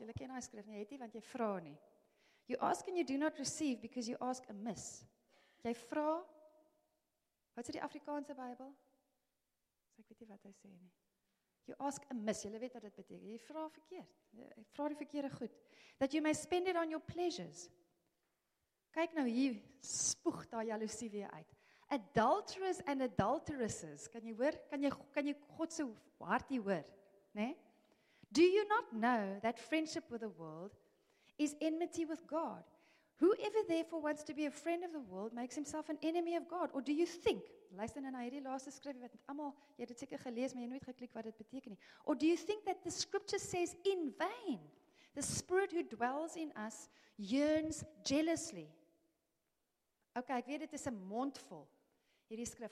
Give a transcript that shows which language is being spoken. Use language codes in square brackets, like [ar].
[af] Jy ken die skrif nie, jy het nie, want jy vra nie. [en] You ask and you do not receive because you ask amiss. [af] Jy vra, wat sê die Afrikaanse Bybel? Ek weet nie wat hy sê nie. [en] You ask amiss. [af] Julle weet wat dit beteken. Jy vra verkeerd. Jy vra die verkeerde goed. [en] That you may spend it on your pleasures. [af] Kyk nou hier, spoeg daar jaloesie weer uit. [en] Adulterers and adulteresses. [af] Kan jy hoor? Kan jy God se hart hier hoor, né? [en] Do you not know that friendship with the world is enmity with God? Whoever therefore wants to be a friend of the world makes himself an enemy of God. Or do you think, listen in [af] hierdie laaste skrif, wat almal, jy het dit seker gelees, maar jy nooit geklik wat dit beteken nie. [en] Or do you think that the scripture says in vain, the spirit who dwells in us yearns jealously. [af] Ok, ek weet dit is 'n mondvol, hierdie skrif.